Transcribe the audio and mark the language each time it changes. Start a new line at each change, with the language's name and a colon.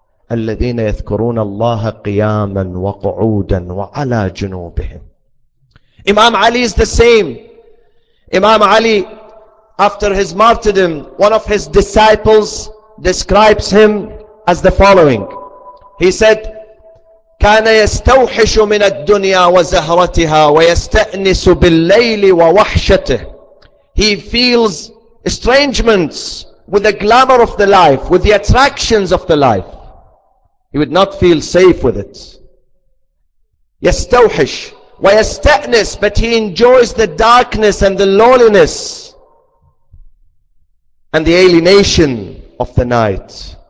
Arabic: الَّذِينَ يَذْكُرُونَ اللَّهَ قِيَامًا وَقُعُودًا وَعَلَى جُنُوبِهِمْ.
English: Imam Ali is the same. Imam Ali, after his martyrdom, one of his disciples describes him as the following. He said,
Arabic: كَانَ يَسْتَوْحِشُ مِنَ الدُّنْيَا وَزَهْرَتِهَا وَيَسْتَأْنِسُ بِاللَّيْلِ وَوَحْشَتِهِ.
English: He feels estrangements with the glamour of the life, with the attractions of the life. He would not feel safe with it.
Arabic: يَسْتَوْحِشُ وَيَسْتَأْنِسُ.
English: But he enjoys the darkness and the loneliness and the alienation of the night.